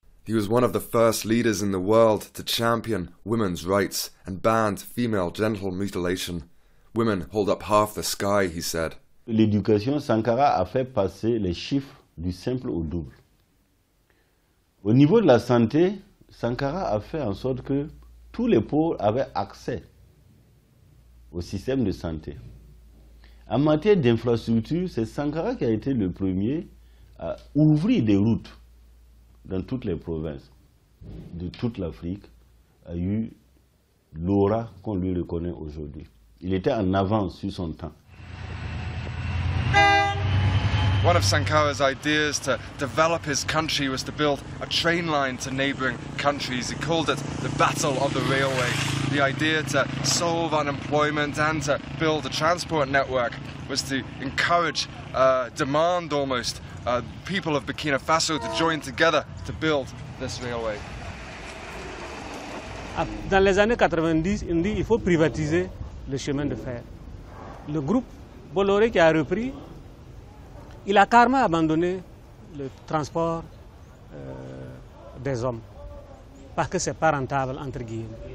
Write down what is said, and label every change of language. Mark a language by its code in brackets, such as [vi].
[en] He was one of the first leaders in the world to champion women's rights and banned female genital mutilation. Women hold up half the sky, he said. [fr] L'éducation, Sankara a fait passer les chiffres du simple au double. Au niveau de la santé, Sankara a fait en sorte que tous les pauvres avaient accès au système de santé. En matière d'infrastructure, c'est Sankara qui a été le premier à ouvrir des routes dans toutes les provinces de toute l'Afrique, a eu l'aura qu'on lui reconnaît aujourd'hui. Il était en avance sur son temps. [en] One of Sankara's ideas to develop his country was to build a train line to neighboring countries. He called it the Battle of the Railway. The idea to solve unemployment and to build a transport network was to encourage, demand almost, people of Burkina Faso to join together to build this railway. [fr] Dans les années 90, il dit il faut privatiser le chemin de fer. Le groupe Bolloré qui a repris. Il a carrément abandonné le transport des hommes parce que c'est pas rentable, entre guillemets.